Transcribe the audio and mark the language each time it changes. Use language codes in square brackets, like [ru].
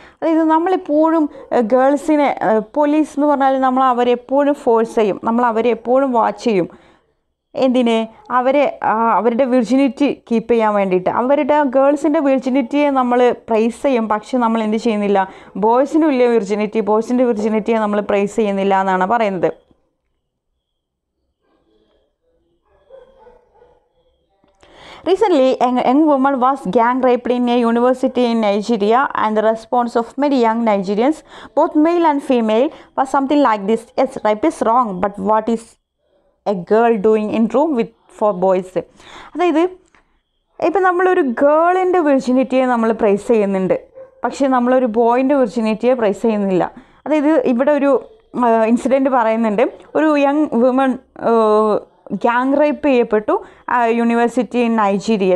[ml] അതായത് നമ്മളെപ്പോഴും ഗേൾസിനെ പോലീസ് എന്ന് പറഞ്ഞാൽ നമ്മൾ അവരെപ്പോഴും ഫോഴ്സ് ചെയ്യും, നമ്മൾ അവരെപ്പോഴും വാച്ച് ചെയ്യും. എന്തിനെ? അവരുടെ വിർജിനിറ്റി കീപ്പ് ചെയ്യാൻ വേണ്ടിയിട്ട്. അവരുടെ ഗേൾസിൻ്റെ വിർജിനിറ്റിയെ നമ്മൾ പ്രൈസ് ചെയ്യും, പക്ഷെ നമ്മൾ എന്ത് ചെയ്യുന്നില്ല? ബോയ്സിനും ഇല്ല വിർജിനിറ്റി, ബോയ്സിൻ്റെ വിർജിനിറ്റിയെ നമ്മൾ പ്രൈസ് ചെയ്യുന്നില്ല എന്നാണ് പറയുന്നത്. [en] Recently, a young woman was gang raped in a university in Nigeria, and the response of many young Nigerians, both male and female, was something like this. Yes, rape is wrong, but what is a girl doing in room with four boys? [ml] അതായത് ഇപ്പം നമ്മളൊരു ഗേളിൻ്റെ വിർജിനിറ്റിയെ നമ്മൾ price ചെയ്യുന്നുണ്ട്, പക്ഷെ നമ്മളൊരു ബോയിൻ്റെ വിർജിനിറ്റിയെ price ചെയ്യുന്നില്ല. അതായത് ഇവിടെ ഒരു ഇൻസിഡൻറ്റ് പറയുന്നുണ്ട്, ഒരു യങ് വുമൺ ഗ്യാങ് റേപ്പ് ചെയ്യപ്പെട്ടു യൂണിവേഴ്സിറ്റി ഇൻ നൈജീരിയ.